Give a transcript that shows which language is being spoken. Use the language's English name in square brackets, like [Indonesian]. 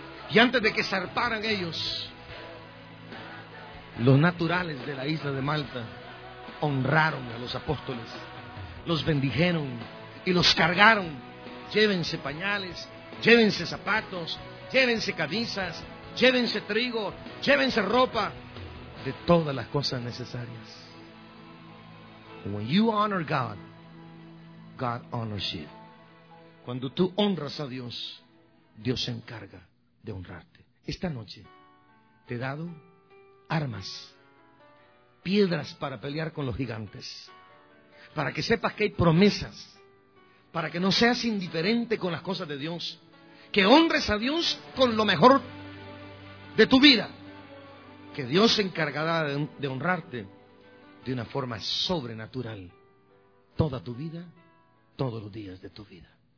[Spanish] Y antes de que zarparan ellos, los naturales de la isla de Malta honraron a los apóstoles, los bendijeron y los cargaron. Llévense pañales, llévense zapatos, llévense camisas, llévense trigo, llévense ropa, de todas las cosas necesarias. [English] When you honor God, God honors you. [Spanish] Cuando tú honras a Dios, Dios se encarga de honrarte. Esta noche te he dado armas, piedras para pelear con los gigantes, para que sepas que hay promesas, para que no seas indiferente con las cosas de Dios, que honres a Dios con lo mejor de tu vida, que Dios se encargará de honrarte de una forma sobrenatural toda tu vida, todos los días de tu vida.